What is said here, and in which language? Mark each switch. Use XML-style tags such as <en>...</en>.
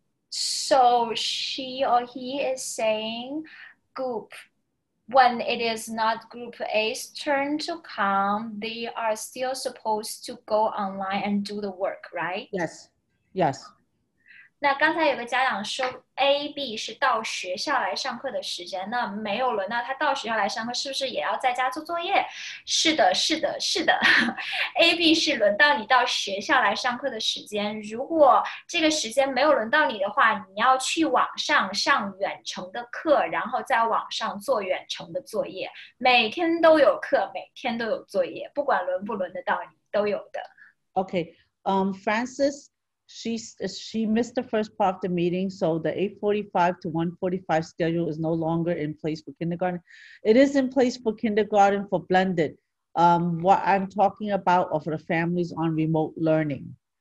<en>So she or he is saying group, when it is not group A's turn to come, they are still supposed to go online and do the work, right? Yes, yes.</en> <zh>那刚才有个家长说 A, B 是到学校来上课的时间，那没有轮到他到学校来上课，是不是也要在家做作业？是的，是的，是的。A, B 是轮到你到学校来上课的时间，如果这个时间没有轮到你的话，你要去网上上远程的课，然后在网上做远程的作业。每天都有课，每天都有作业，不管轮不轮得到你，都有的。</zh> <en>Okay, Francis,She missed the first part of the meeting, so the 8:45 to 1:45 schedule is no longer in place for kindergarten. It is in place for kindergarten for blended. What I'm talking about are for the families on remote learning.</en>